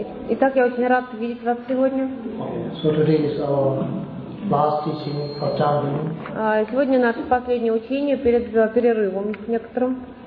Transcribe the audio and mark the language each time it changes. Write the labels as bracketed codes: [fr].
[ru] Итак, я очень рад видеть вас сегодня. [en] So today is our last teaching for Tamil. [ru] Сегодня наше последнее учение перед перерывом некоторым.